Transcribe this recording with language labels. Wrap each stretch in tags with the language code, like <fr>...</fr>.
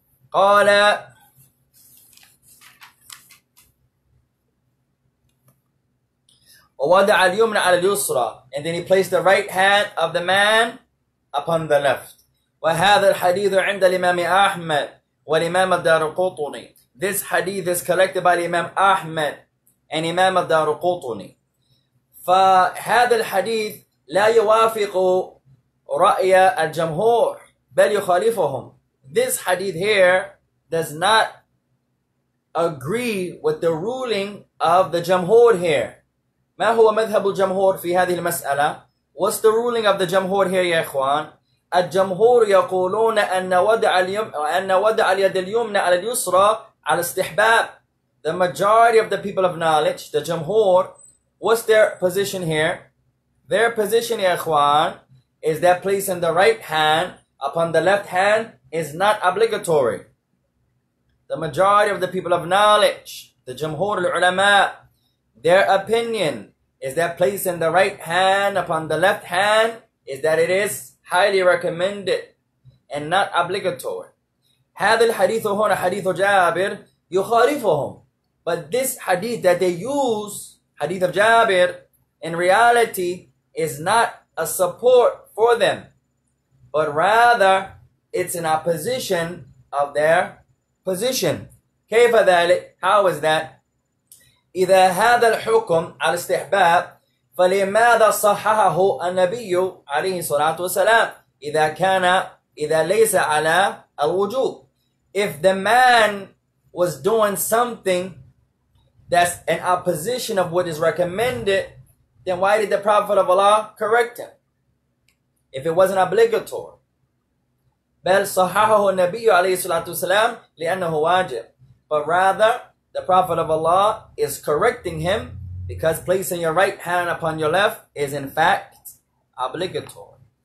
<ar>قَالَ وَوَضَعَ الْيُمْنَ عَلَى الْيُسْرَى.</ar> <en>And then he placed the right hand of the man upon the left.</en> <ar>وَهَذَا الْحَدِيثُ عِنْدَ الْإِمَامِ أَحْمَدِ وَالْإِمَامَ الدَّارِقُطْنِي.</ar> <en>This hadith is collected by Imam Ahmad and Imam الدَّارِقُطْنِي.</en> <ar>فَهَذَا الْحَدِيثُ لا يوافق رأي الجمهور بل يخالفهم.</ar> <en>This hadith here does not agree with the ruling of the جمهور here.</en> <ar>ما هو مذهب الجمهور في هذه المسألة؟</ar> <en>What's the ruling of the جمهور here</en> <ar>يا إخوان؟ الجمهور يقولون أن وضع اليد اليمنى على اليسرى على استحباب.</ar> <en>The majority of the people of knowledge, the جمهور, what's their position here? Their position,</en> <ar>ya ikhwan,</ar> <en>is that placing the right hand upon the left hand is not obligatory. The majority of the people of knowledge, the jumhur al-ulama, their opinion is that placing the right hand upon the left hand is that it is highly recommended and not obligatory.</en> <ar>هذا الحديث هنا حديث جابر يخالفهم.</ar> <en>But this hadith that they use, hadith of Jabir, in reality, is not a support for them, but rather it's an opposition of their position.</en> <ar>كيف ذلك?</ar> <en>How is that?</en> <ar>إذا هذا الحكم على استحباب فلماذا صححه النبي عليه الصلاة والسلام إذا ليس على الوجوب?</ar> <en>If the man was doing something that's an opposition of what is recommended, then why did the Prophet of Allah correct him if it wasn't obligatory?</en> <ar>بل صححه النبي عليه الصلاة والسلام لأنه واجب.</ar> <en>But rather, the Prophet of Allah is correcting him because placing your right hand upon your left is in fact obligatory.</en>